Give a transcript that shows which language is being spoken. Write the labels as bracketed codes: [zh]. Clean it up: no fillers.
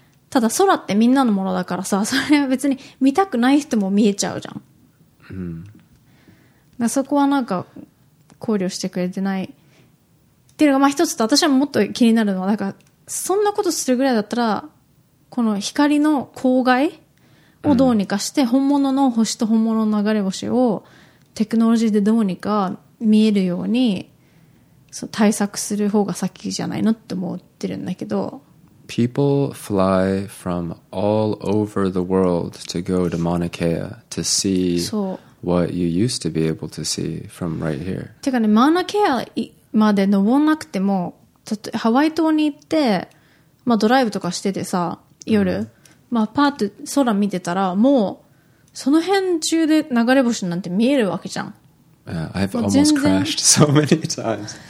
[ja] ただ空ってみんなのものだからさ、それは別に見たくない人も見えちゃうじゃん、だそこはなんか考慮してくれてないっていうのがまあ一つと、私はもっと気になるのはなんか、そんなことするぐらいだったら、この光の光害をどうにかして、本物の星と本物の流れ星をテクノロジーでどうにか見えるように対策する方が先じゃないのって思ってるんだけど。 [en] People fly from all over the world to go to Mauna Kea to see what you used to be able to see from right here. [ja] てかね、マウナケアまで登らなくても、ハワイ島に行って、まあ、ドライブとかしててさ、夜、まあ、パーッと空見てたら、もうその辺中で流れ星なんて見えるわけじゃん。 [en] Yeah, I've almost crashed so many times.